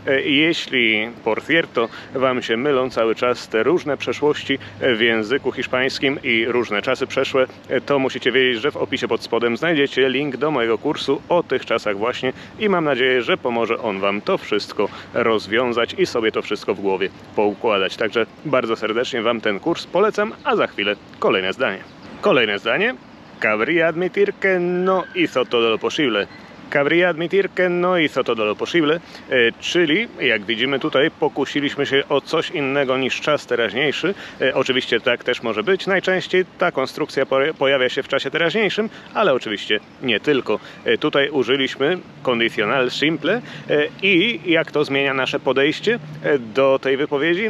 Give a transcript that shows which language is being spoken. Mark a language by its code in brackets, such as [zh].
[pl] Jeśli, [es] por cierto, [pl] wam się mylą cały czas te różne przeszłości w języku hiszpańskim i różne czasy przeszłe, to musicie wiedzieć, że w opisie pod spodem znajdziecie link do mojego kursu o tych czasach właśnie i mam nadzieję, że pomoże on wam to wszystko rozwiązać i sobie to wszystko w głowie poukładać. Także bardzo serdecznie wam ten kurs polecam, a za chwilę kolejne zdanie. Kolejne zdanie. [es] Cabría admitir que no hizo todo lo posible. Cabría admitir que no hizo todo lo posible, [pl] czyli jak widzimy tutaj pokusiliśmy się o coś innego niż czas teraźniejszy. Oczywiście tak też może być. Najczęściej ta konstrukcja pojawia się w czasie teraźniejszym, ale oczywiście nie tylko. Tutaj użyliśmy kondicional simple i jak to zmienia nasze podejście do tej wypowiedzi?